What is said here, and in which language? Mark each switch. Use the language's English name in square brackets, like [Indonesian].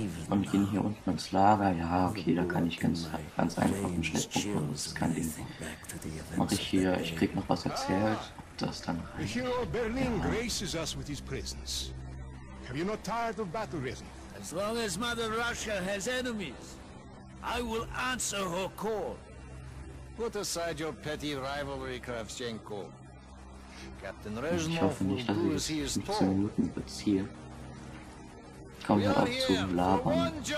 [German] Und gehen hier unten ins Lager. Ja, okay, da kann ich ganz einfach einen Schnittpunkt machen. Das kann ich. Mach ich hier, ich krieg noch was erzählt. Das dann rein. [English] The hero Berlin graces us with his presence. Have you not tired of battle risen? As long as Mother Russia has enemies, I will answer her call. Put aside your petty rivalry, Kravchenko. [German] Captain Reznov, ich hoffe nicht, dass ich das 15 Minuten beziehe. Kommen wir auch zum Labern.